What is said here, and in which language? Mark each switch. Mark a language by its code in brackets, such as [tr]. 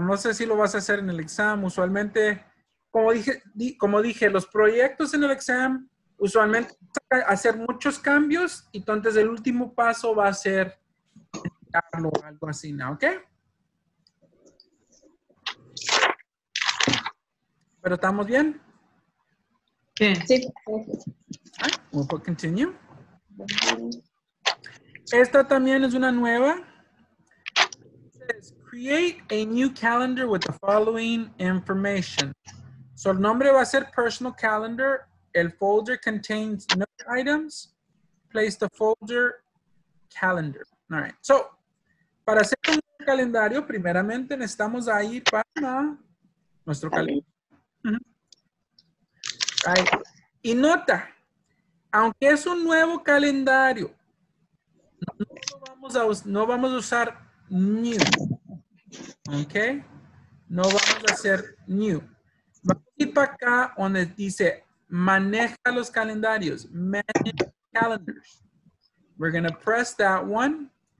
[es] No sé si lo vas a hacer en el exam. Usualmente, como dije, los proyectos en el exam, usualmente hacer muchos cambios, y entonces el último paso va a ser darlo o algo así, ¿no? ¿Ok? ¿Pero estamos bien? Sí. [en] Sí. Okay. We'll continue. [es] Esta también es una nueva. [en] It says, create a new calendar with the following information. [es] So el nombre va a ser personal calendar. El folder [en] contains note items. Place the folder calendar. All right. [es] So, para hacer un calendario, primeramente necesitamos ahí para nuestro calendario. Uh-huh. [en] All right. [es] Y nota, aunque es un nuevo calendario, no vamos a usar new. Ok. No vamos a hacer new. Vamos a ir para acá donde dice maneja los calendarios. [en] Manage calendars. We're going to press that one.